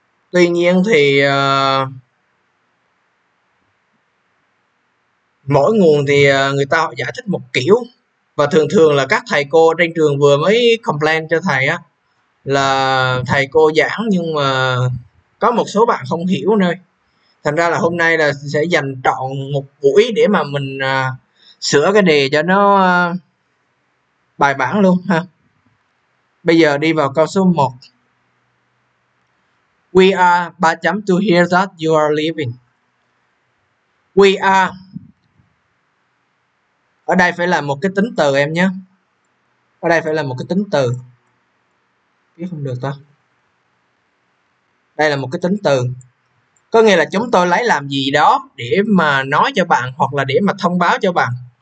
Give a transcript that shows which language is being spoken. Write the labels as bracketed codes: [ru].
[vi] Tuy nhiên thì mỗi nguồn thì người ta họ giải thích một kiểu, và thường thường là các thầy cô trên trường vừa mới complain cho thầy á là thầy cô giảng nhưng mà có một số bạn không hiểu nơi. Thành ra là hôm nay là sẽ dành trọn một buổi để mà mình sửa cái đề cho nó bài bản luôn ha. Bây giờ đi vào câu số 1. [en] We are, [vi] ba chấm, [en] to hear that you are leaving. We are, [vi] ở đây phải là một cái tính từ em nhé. Ở đây phải là một cái tính từ. Biết không được ta. Đây là một cái tính từ. Có nghĩa là chúng tôi lấy làm gì đó để mà nói cho bạn hoặc là để mà thông báo cho bạn.